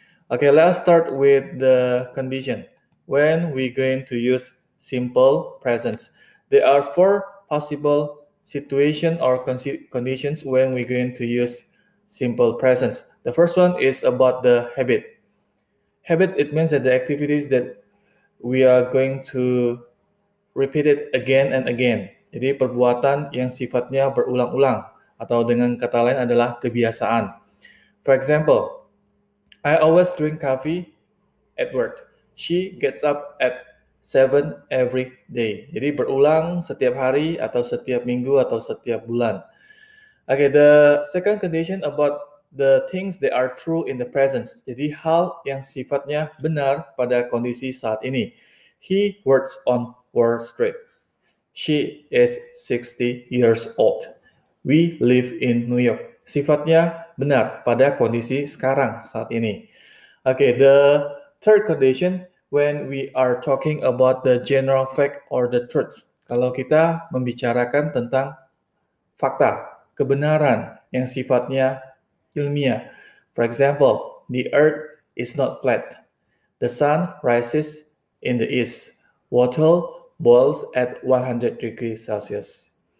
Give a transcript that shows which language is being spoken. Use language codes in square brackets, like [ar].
[en] Okay, let's start with the condition. When we're going to use simple presence, there are 4 possible situations or conditions when we're going to use simple presence. The first one is about the habit. Habit, it means that the activities that we are going to repeat it again and again. [id] Jadi perbuatan yang sifatnya berulang-ulang atau dengan kata lain adalah kebiasaan. [en] For example, I always drink coffee at work. She gets up at 7 every day. [id] Jadi berulang setiap hari atau setiap minggu atau setiap bulan. [en] Okay, the second condition about the things that are true in the presence. [id] Jadi hal yang sifatnya benar pada kondisi saat ini. [en] He works on Wall Street. She is 60 years old. We live in New York. [id] Sifatnya benar pada kondisi sekarang saat ini. [en] Okay, the third condition when we are talking about the general fact or the truth. [id] Kalau kita membicarakan tentang fakta, kebenaran yang sifatnya ilmiah. [en] For example, the earth is not flat. The sun rises in the east. Water boils at 100 degrees Celsius.